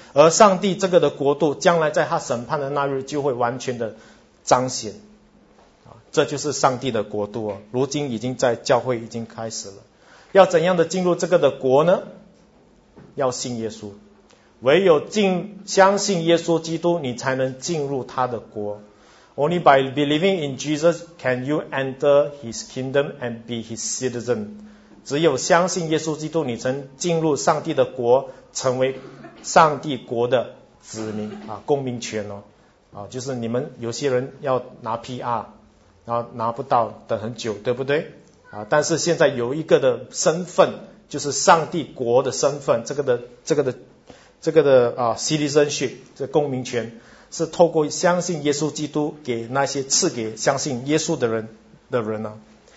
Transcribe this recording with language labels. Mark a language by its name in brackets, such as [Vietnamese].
[Chinese] 而上帝这个的国度，将来在他审判的那日就会完全的彰显。啊，这就是上帝的国度啊，如今已经在教会已经开始了。要怎样的进入这个的国呢？要信耶稣。唯有相信耶稣基督，你才能进入他的国。 [English] Only by believing in Jesus can you enter his kingdom and be his citizen. [Chinese] 只有相信耶稣基督，你才能进入上帝的国，成为上帝国的子民啊，公民权哦。啊，就是你们有些人要拿 PR， 然后拿不到，等很久，对不对？啊，但是现在有一个的身份，就是上帝国的身份，这个的 citizenship， 这公民权是透过相信耶稣基督给那些赐给相信耶稣的人的人呢、啊。